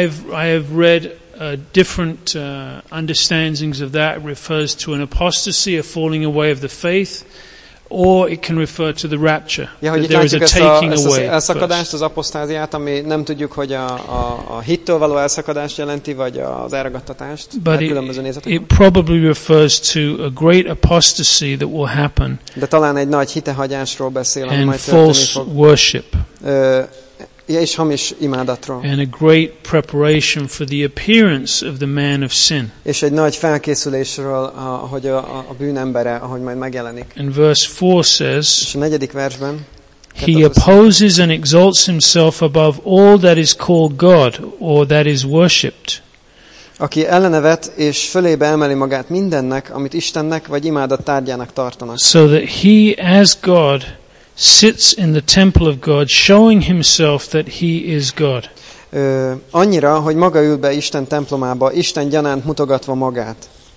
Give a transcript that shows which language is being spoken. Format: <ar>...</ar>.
<en>I have read different understandings of that. It refers to an apostasy, a falling away of the faith, or it can refer to the rapture.</en> <hu>Ja, hogy</hu> <en>there is a taking away.</en> <hu>A szakadást, az apostáziát, ami nem tudjuk, hogy a hittől való elszakadást jelenti, vagy az elragadtatást.</hu> <en>But it probably refers to a great apostasy that will happen.</en> <hu>De talán egy nagy hitehagyásról beszél,</hu> <en>and</en> <hu>majd</hu> <en>false worship.</en> <hu>És hamis imádatról.</hu> <en>And a great preparation for the appearance of the man of sin.</en> <hu>És egy nagy felkészülésről, ahogy a bűnembere, ahogy majd megjelenik.</hu> <en>And verse 4 says,</en> <hu>és a negyedik versben,</hu> <en>he opposes and exalts himself above all that is called God or that is worshipped.</en> <hu>Aki ellenevet és fölébe emeli magát mindennek, amit Istennek vagy imádat tárgyának tartanak.</hu> <en>So that he as God sits in the temple of God, showing himself that he is God.</en> <hu>Annyira, hogy maga ül be Isten templomába, Isten gyanánt mutogatva magát.</hu>